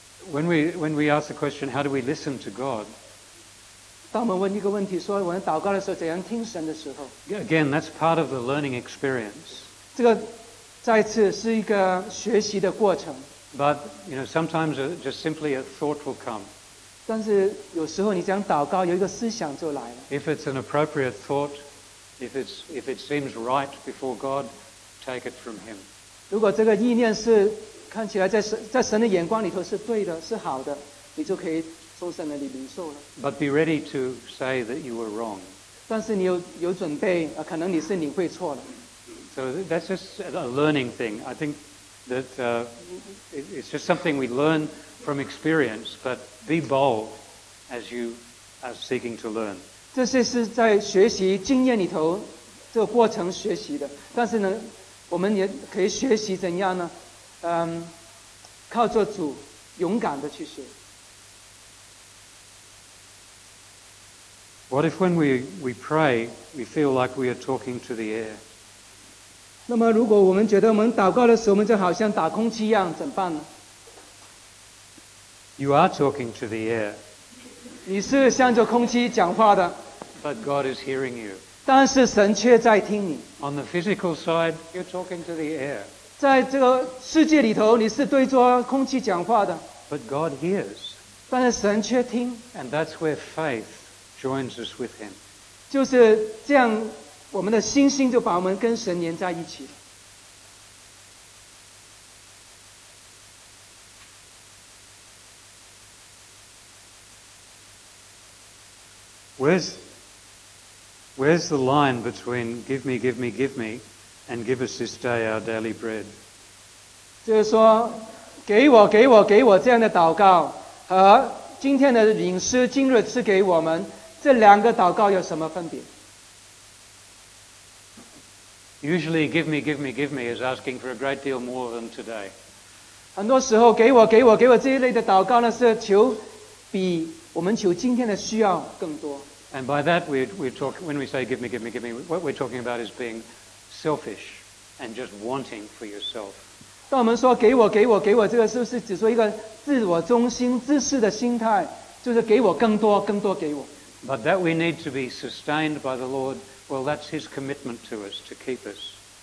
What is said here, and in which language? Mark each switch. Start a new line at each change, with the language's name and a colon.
English: When we ask the question, how do we listen to God?
Chinese: 当我们问一个问题，说我们祷告的时候怎样听神的时候
English: ，Again, that's part of the learning experience.
Chinese: 这个再次是一个学习的过程。
English: But you know, sometimes just simply a thought will come.
Chinese: 但是有时候你讲祷告，有一个思想就来了。
English: If it's an appropriate thought, if it seems right before God, take it from Him.
Chinese: 如果这个意念是看起来在神的眼光里头是对的，是好的，你就可以。
English: But be ready to say that you were wrong.
Chinese: 但是你有准备，可能你是领会错了。
English: So that's just a learning thing. I think that it's just something we learn from experience. But be bold as you are seeking to learn.
Chinese: 这些是在学习经验里头这个过程学习的。但是呢，我们也可以学习怎样呢？靠着主，勇敢的去学。
English: What if when we pray, we feel like we are talking to the air?
Chinese: 那么如果我们觉得我们祷告的时候，我们就好像打空气一样，怎么办呢？
English: You are talking to the air.
Chinese: 你是向着空气讲话的。
English: But God is hearing you.
Chinese: 但是神却在听你。
English: On the physical side, you're talking to the air.
Chinese: 在这个世界里头，你是对着空气讲话的。
English: But God hears.
Chinese: 但是神却听。
English: And that's where faith. Joins us with him.
Chinese: 就是这样，我们的信心就把我们跟神连在一起了。
English: Where's the line between give me, give me, give me, and give us this day our daily bread?
Chinese: 就是说，给我，给我，给我这样的祷告和今天的饮食，今日赐给我们。这两个祷告有什么分别？
English: Usually, give me, give me, give me is asking for a great deal more than today.
Chinese: 很多时候给我给我给我这一类的祷告呢，是求比我们求今天的需要更多。
English: And by that, when we say give me, give me, give me, what we're talking about is being selfish and just wanting for yourself.
Chinese: 当我们说给我给我给我，这个是不是指说一个自我中心自私的心态，就是给我更多更多给我？
English: But that we need to be sustained by the Lord, well, that's His commitment to us, to keep us.